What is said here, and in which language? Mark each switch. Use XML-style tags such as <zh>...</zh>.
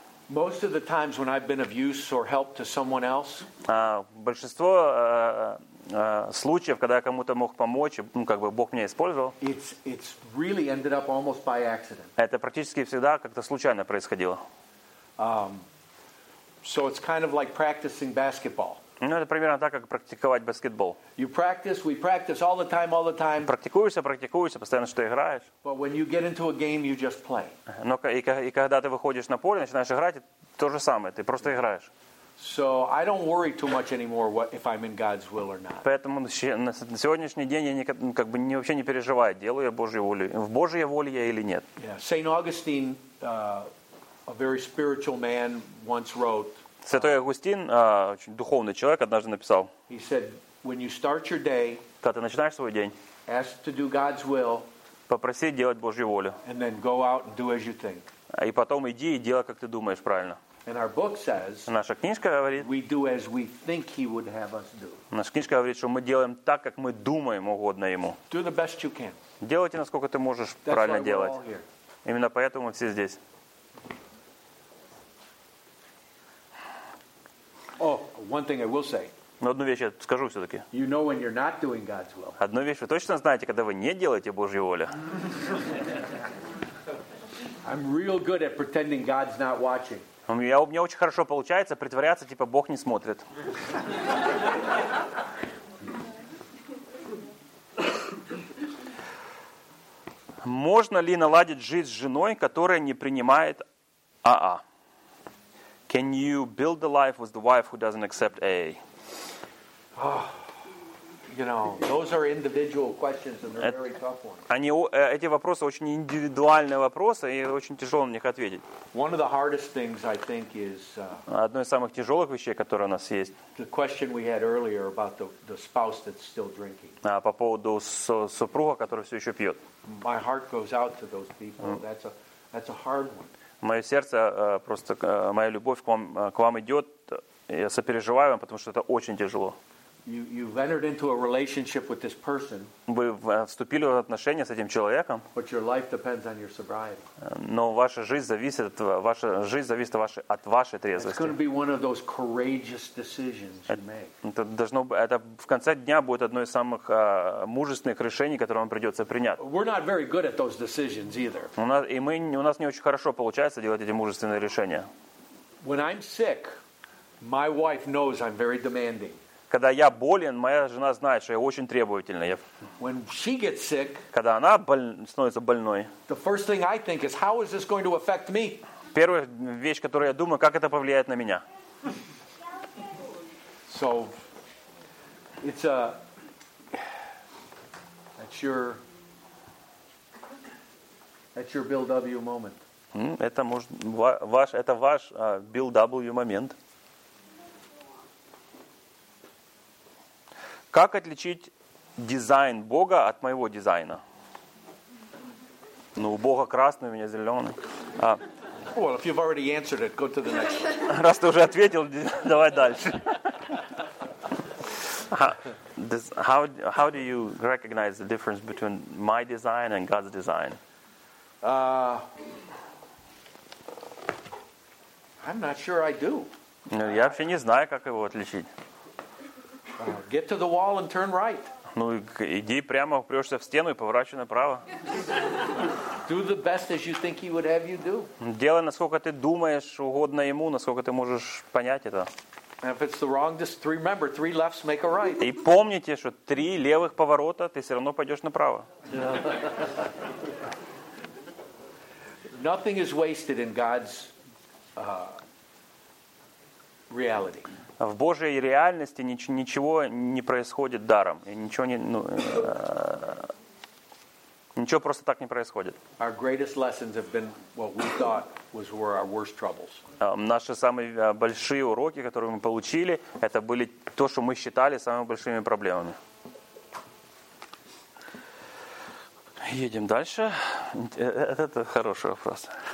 <en>Most of the times when I've been of use or help to someone else,</en> <ru>большинство случаев, когда я кому-то мог помочь, ну как бы Бог меня использовал.</ru> <en>It's really ended up almost by accident.</en> <ru>Это практически всегда как-то случайно происходило.</ru> <en>So it's kind of like practicing basketball.</en> <ru>Ну, это примерно так, как практиковать баскетбол.</ru> <en>You practice, we practice all the time, all the time.</en> <ru>Практикуешься, постоянно что играешь.</ru> <en>But when you get into a game, you just play.</en> <ru>Но и когда ты выходишь на поле, начинаешь играть, то же самое, ты просто играешь.</ru> <en>So I don't worry too much anymore what if I'm in God's will or not.</en> <ru>Поэтому на сегодняшний день я вообще не переживаю, делаю я Божью волю, в Божьей воле я или нет.</ru> <en>Yeah. Saint Augustine, a very spiritual man, once wrote.</en> <ru>Святой Августин, очень духовный человек, однажды написал.</ru> <en>He said, when you start your day,</en> <ru>когда ты начинаешь свой день,</ru> <en>ask to do God's will,</en> <ru>попроси делать Божью волю,</ru> <en>and then go out and do as you think.</en> <ru>И потом иди и делай, как ты думаешь правильно.</ru> <en>And our book says,</en> <ru>наша книжка говорит,</ru> <en>we do as we think he would have us do.</en> <ru>Наша книжка говорит, что мы делаем так, как мы думаем угодно ему.</ru> <en>Do the best you can.</en> <ru>Делайте, насколько ты можешь.</ru> <en>That's</en> <ru>правильно</ru> <en>why</en> <ru>делать.</ru> <en>We're all here.</en> <ru>Именно поэтому мы все здесь.</ru> <en>Oh, one thing I will say.</en> <ru>Но одну вещь я скажу все-таки.</ru> <en>You know when you're not doing God's will.</en> <ru>Одну вещь вы точно знаете, когда вы не делаете Божью волю.</ru> <en>I'm real good at pretending God's not watching.</en> <ru>У меня очень хорошо получается притворяться, типа, Бог не смотрит. Можно ли наладить жизнь с женой, которая не принимает АА?</ru> <en>Can you build a life with the wife who doesn't accept AA? You know, those are individual questions and they're very tough ones.</en> <ru>Они, эти вопросы очень индивидуальные вопросы, и очень тяжело на них ответить.</ru> <en>One of the hardest things, I think, is</en> <ru>одно из самых тяжелых вещей, которые у нас есть.</ru> <en>The question we had earlier about the spouse that's still drinking.</en> <ru>По поводу супруга, который все еще пьет.</ru> <en>My heart goes out to those people. That's a hard one.</en> <ru>Мое сердце просто моя любовь к вам идет. Я сопереживаю вам, потому что это очень тяжело.</ru> <en>You've entered into a relationship with this person.</en> <ru>Вы вступили в отношения с этим человеком.</ru> <en>But your life depends on your sobriety.</en> <ru>Но ваша жизнь зависит от вашей трезвости.</ru> <en>It's going to be one of those courageous decisions you make.</en> <ru>Это в конце дня будет одно из самых мужественных решений, которое вам придется принять.</ru> <en>We're not very good at those decisions either.</en> <ru>У нас не очень хорошо получается делать эти мужественные решения.</ru> <en>When I'm sick, my wife knows I'm very demanding.</en> <ru>Когда я болен, моя жена знает, что я очень требовательный.</ru> <en>When she gets sick,</en> <ru>когда она становится больной,</ru> <en>the first thing I think is, how is this going to affect me?</en> <ru>Первая вещь, которую я думаю, как это повлияет на меня.</ru> <en>So, it's a... That's your Bill W. moment.</en> <ru>Это ваш Bill W. момент. Как отличить дизайн Бога от моего дизайна? Ну, у Бога красный, у меня зеленый.</ru> <en>Well, if you've already answered it, go to the next.</en> <ru>Раз ты уже ответил, давай дальше.</ru> <en>How do you recognize the difference between my design and God's design? I'm not sure I do.</en> <ru>Ну, я вообще не знаю, как его отличить.</ru> <en>Get to the wall and turn right.</en> <ru>Ну, иди прямо, упрёшься в стену и поворачивай направо.</ru> <en>Do the best as you think he would have you do.</en> <ru>Делай, насколько ты думаешь угодно ему, насколько ты можешь понять это.</ru> <en>And if it's the wrong, just remember, three lefts make a right.</en> <ru>И помните, что три левых поворота, ты всё равно пойдёшь направо.</ru> <en>Nothing is wasted in God's reality.</en> <ru>В Божьей реальности ничего не происходит даром. И ничего просто так не происходит.</ru> <en>Our greatest lessons have been what we thought were our worst troubles.</en> <ru>Наши самые большие уроки, которые мы получили, это были то, что мы считали самыми большими проблемами. Едем дальше. Это хороший вопрос.</ru>